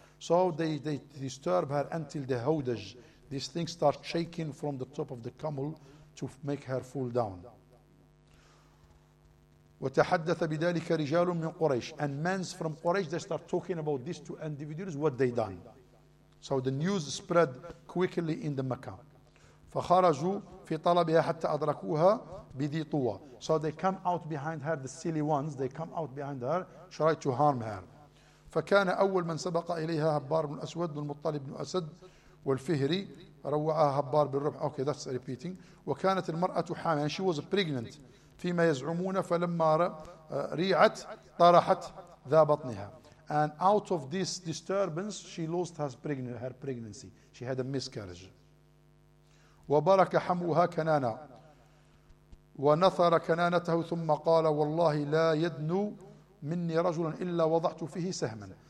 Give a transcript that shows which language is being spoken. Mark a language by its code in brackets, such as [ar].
[en] So they disturb her until the hodaj, this thing starts shaking from the top of the camel to make her fall down. [ar] وتحدث بذلك رجال من قريش [en] and men from Quraysh, they start talking about these two individuals, what they done. So the news spread quickly in the Mecca. [ar] فخرجوا في طلبها حتى أدركوها بذي طوى. [en] So they come out behind her, the silly ones, they come out behind her, try to harm her. [ar] فكان أول من سبق إليها هبار بن أسود بن المطلب بن أسد والفهري روعها هبار بالربح. [en] Okay, that's repeating. [ar] وكانت المرأة حامل, [en] and she was pregnant, [ar] فيما يزعمون فلما ريعت طرحت ذا بطنها. [en] And out of this disturbance, she lost her pregnancy. She had a miscarriage. [ar] وبارك حموها كنانة ونثر كنانته ثم قال والله لا يدنو مني رجلا إلا وضعت فيه سهما.